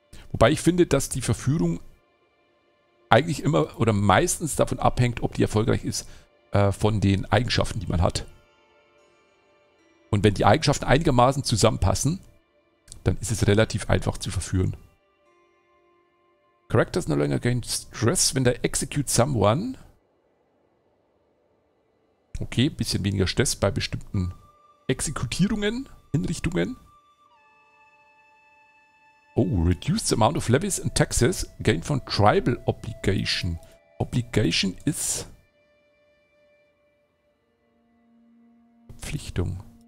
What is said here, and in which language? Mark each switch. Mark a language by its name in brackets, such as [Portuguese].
[German] Wobei ich finde, dass die Verführung eigentlich immer oder meistens davon abhängt, ob die erfolgreich ist, von den Eigenschaften, die man hat. Und wenn die Eigenschaften einigermaßen zusammenpassen, dann ist es relativ einfach zu verführen. [English] Characters no longer gain stress when they execute someone. [German] Okay, ein bisschen weniger Stress bei bestimmten Exekutierungen, Hinrichtungen. [English] Oh, reduced amount of levies and taxes gained from tribal obligation. [German] Obligation ist Verpflichtung.